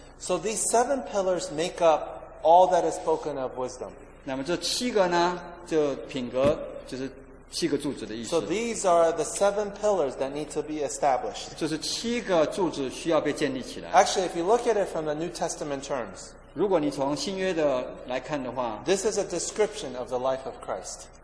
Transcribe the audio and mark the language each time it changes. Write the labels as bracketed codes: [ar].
[en] So these seven pillars make up all that is spoken of wisdom. [zh] 那么这七个呢,就品格,就是七个柱子的意思。 [en] So these are the seven pillars that need to be established. [zh] 就是七个柱子需要被建立起来。 [en] Actually, if you look at it from the New Testament terms, [zh] 如果你从新约的来看的话, [en] this is a description of the life of Christ.